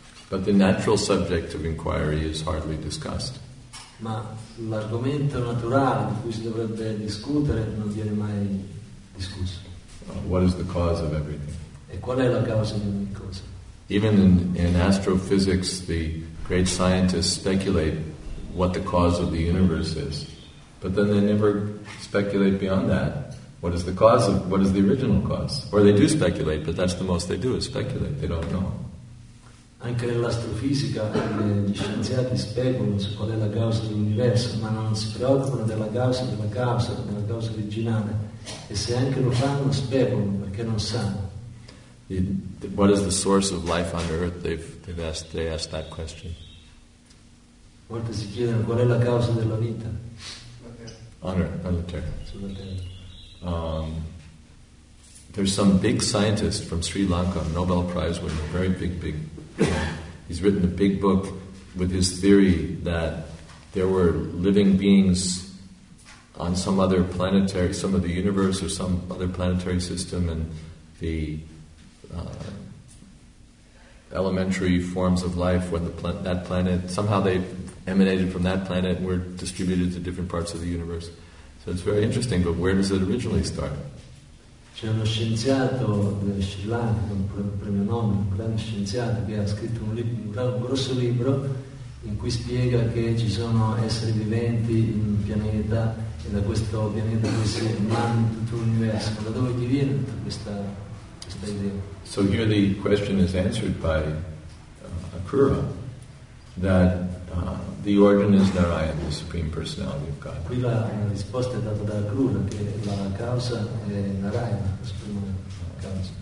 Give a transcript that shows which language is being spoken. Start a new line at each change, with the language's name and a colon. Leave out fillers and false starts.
English: But the natural subject of inquiry is hardly discussed.
Italian: Ma l'argomento naturale di cui si dovrebbe discutere non viene mai discusso.
English: What is the cause of everything?
Italian: E qual è la causa di ogni cosa?
English: Even in astrophysics, the great scientists speculate what the cause of the universe is, but then they never speculate beyond that. What is the original cause? Or they do speculate, but that's the most they do is speculate. They don't know.
Italian: Anche nell'astrofisica gli scienziati speculano su qual è la causa dell'universo, ma non si preoccupano della causa originale. E se anche lo fanno, speculano perché non sanno.
English: What is the source of life on Earth? They asked that question.
Italian: A volte si chiedono qual è la causa della vita.
English: On Earth. There's some big scientist from Sri Lanka, Nobel Prize winner, very big. He's written a big book with his theory that there were living beings on some other planetary, some of the universe or some other planetary system, and the elementary forms of life when that planet, somehow they emanated from that planet and were distributed to different parts of the universe. So it's very interesting, but where does it originally start?
Italian: C'è uno scienziato del Sri Lanka, un premio Nobel, un grande scienziato che ha scritto un grosso libro in cui spiega che ci sono esseri viventi in un pianeta e da questo pianeta che si emana tutto l'universo. Ma da dove ti viene tutta questa idea?
English: So here the question is answered by Akura that the origin is Narayana, the Supreme Personality of God.
Italian: Qui la risposta è data da Akura, che la causa è Narayana, la suprema causa.